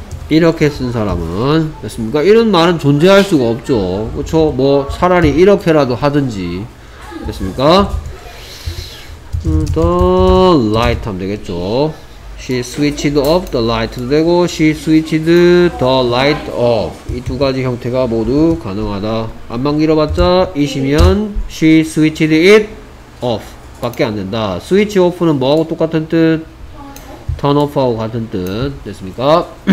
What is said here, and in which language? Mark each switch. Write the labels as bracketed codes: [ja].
[ko] 이렇게 쓴 사람은 됐습니까? 이런 말은 존재할 수가 없죠. 그렇죠? 뭐 차라리 이렇게라도 하든지 됐습니까? [en] The light [ko] 하면 되겠죠. [en] She switched off the light도 되고 She switched the light off. [ko] 이 두 가지 형태가 모두 가능하다. 안만 길어봤자 이시면 [en] She switched it off [ko] 밖에 안 된다. Switch off는 뭐하고 똑같은 뜻? Turn off하고 같은 뜻 됐습니까?